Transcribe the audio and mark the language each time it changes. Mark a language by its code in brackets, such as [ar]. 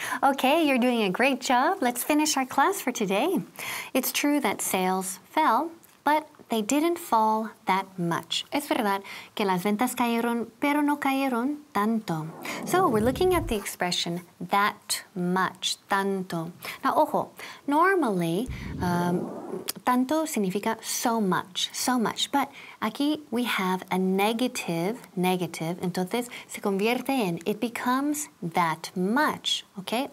[en] Okay, you're doing a great job. Let's finish our class for today. It's true that sales fell, but they didn't fall that much. [es] Es verdad que las ventas cayeron, pero no cayeron tanto. [en] So, we're looking at the expression that much, tanto. Now, ojo, normally, [es] tanto significa [en] so much. But aquí we have a negative, [es] entonces se convierte en, [en] it becomes that much, okay?